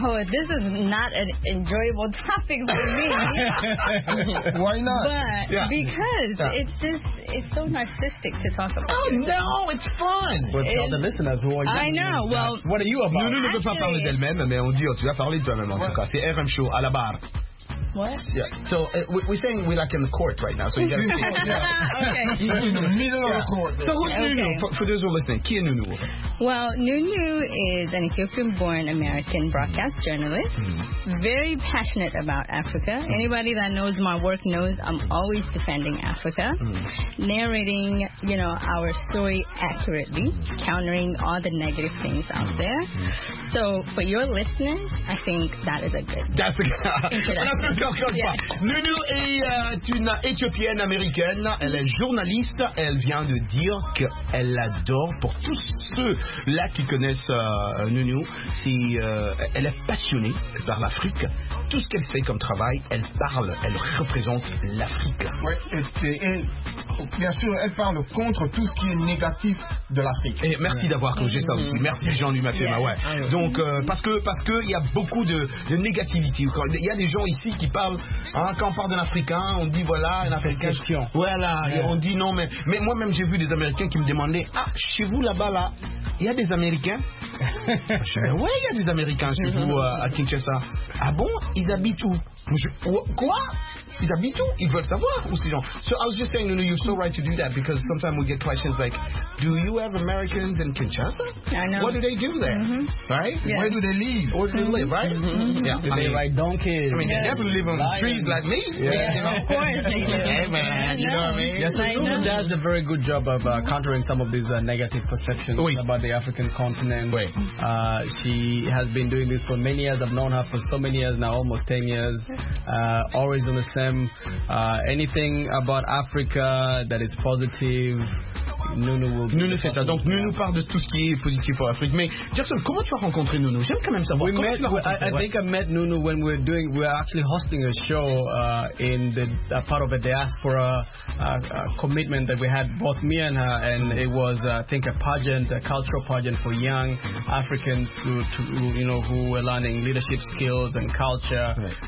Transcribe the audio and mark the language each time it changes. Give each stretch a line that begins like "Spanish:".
English: Oh, this is not an enjoyable topic for me. Why not? But yeah. Because yeah. It's just—it's so narcissistic to talk about. Oh no, it's fun. But tell the listeners who are you. I know. You? Well, what are you about?
French: Nuno ne veut pas parler d'elle-même, mais on dit tu vas parler de toi-même en tout cas. C'est RM Show à la barre.
English: What? Yeah. So we're saying we're like in the court right now. So you got to. Okay. Middle of the court. So who's Nunu? Okay. For those who are listening, who is Nunu? Well, Nunu is an Ethiopian-born American broadcast journalist. Mm-hmm. Very passionate about Africa. Mm-hmm. Anybody that knows my work knows I'm always defending Africa, mm-hmm. narrating you know our story accurately, countering all the negative things out there. Mm-hmm. So for your listeners, I think that is a good. That's a good. Yes.
French: Nunu est une éthiopienne américaine, elle est journaliste, elle vient de dire qu'elle l'adore. Pour tous ceux-là qui connaissent Nunu, c'est, elle est passionnée par l'Afrique. Tout ce qu'elle fait comme travail, elle parle, elle représente l'Afrique. Oui, et bien sûr, elle parle contre tout ce qui est négatif de l'Afrique. Et merci ouais. D'avoir causé ça aussi. Merci Jean-Louis Mathéma. Yeah. Ouais. Donc, parce que il y a beaucoup de négativité. Il y a des gens ici qui parlent, hein, quand on parle d'un Africain, on dit voilà, un Africain. Question. Voilà, ouais. Et on dit non, mais moi-même, j'ai vu des Américains qui me demandaient, ah, chez vous là-bas, là, il y a des Américains. Ouais, il y a des Américains chez vous à Kinshasa. Ah bon? Ils habitent où? Quoi? Ils habitent où? Ils veulent savoir où ces gens.
English: So I was just saying, you know, you're so right to do that because sometimes we get questions like, do you have Americans in Kinshasa? I know. What do they do there? Mm-hmm. Right? Yes. Where do they live? Where do they live? Right? Mm-hmm. Yeah. Do they ride donkeys? I mean, yeah. They definitely live on lions. Trees like me. Yeah, yeah. Of course. Yeah, man. You know what I mean? Yes, yeah, so Nunu does a very good job of countering some of these negative perceptions Wait. About the African continent. Wait. She has been doing this for many years. I've known her for so many years now, almost 10 years. Always on the same. Anything about Africa that is positive, Nunu will be.
French: Nunu fait ça. Donc, Nunu parle de tout ce qui est positif pour l'Afrique. Mais, Jackson, comment tu as rencontré Nunu? J'aime quand même savoir.
English: I think I met Nunu when we were actually hosting a show in the part of a diaspora commitment that we had, both me and her. And it was, I think, a pageant, a cultural pageant for young Africans who were learning leadership skills and culture. Right.